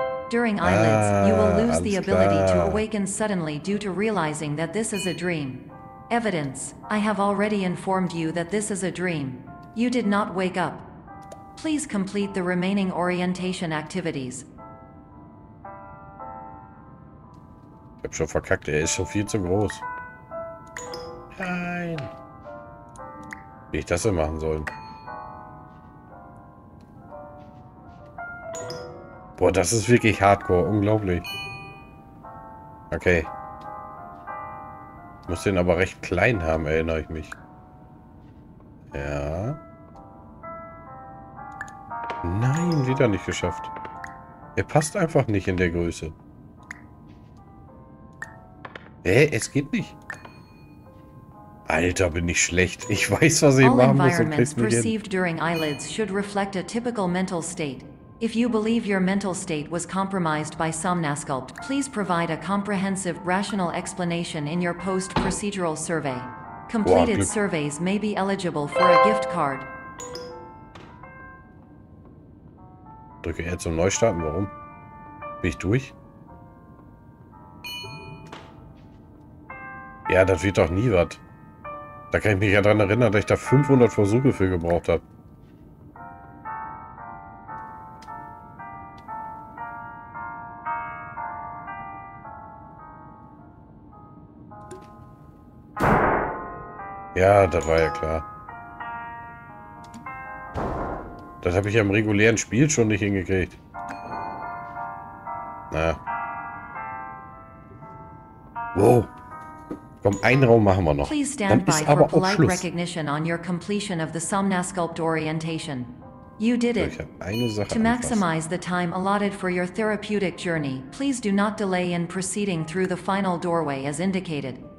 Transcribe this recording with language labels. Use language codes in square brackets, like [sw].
[en] During eyelids, you will lose the ability to awaken suddenly due to realizing that this is a dream. Evidence. I have already informed you that this is a dream. You did not wake up. Please complete the remaining orientation activities. [de] Ich hab schon verkackt, er ist schon viel zu groß. Nein. Wie ich das denn machen sollen? Boah, das ist wirklich hardcore. Unglaublich. Okay. Muss den aber recht klein haben, erinnere ich mich. Ja. Nein, wieder nicht geschafft. Er passt einfach nicht in der Größe. Es geht nicht. Alter, bin ich schlecht. Ich weiß, was ich machen muss. [en] All environments perceived during eyelids should reflect a typical mental state. If you believe your mental state was compromised by Somnasculpt, please provide a comprehensive, rational explanation in your post-procedural survey. Completed surveys may be eligible for a gift card. [de] Drücke R zum Neustarten. Warum? Bin ich durch? Ja, das wird doch nie was. Da kann ich mich ja dran erinnern, dass ich da 500 Versuche für gebraucht habe. Ja, das war ja klar. Das habe ich ja im regulären Spiel schon nicht hingekriegt. Na. Wow. Komm, einen Raum machen wir noch. [en] Please stand by for polite recognition on your completion of the Somnasculpt orientation. You did it. To maximize the time allotted for your therapeutic journey, please do not delay in proceeding through the final doorway as indicated.